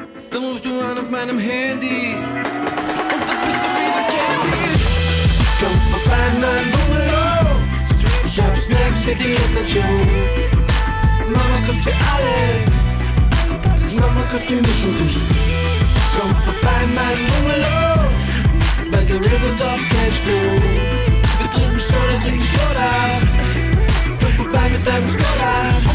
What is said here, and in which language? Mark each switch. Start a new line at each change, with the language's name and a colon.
German: Dann rufst du an auf meinem Handy. Und dann bist du wieder Candy. Komm vorbei, mein Bungalow. Ich hab Snacks für die Lindner-Show. Mama kocht für alle. Mama kocht für mich und dich. Komm vorbei, mein Bungalow.
English: By the rivers of cash flow.
German: Wir trinken Soda, trinken Soda. Komm vorbei mit deinem Skoda.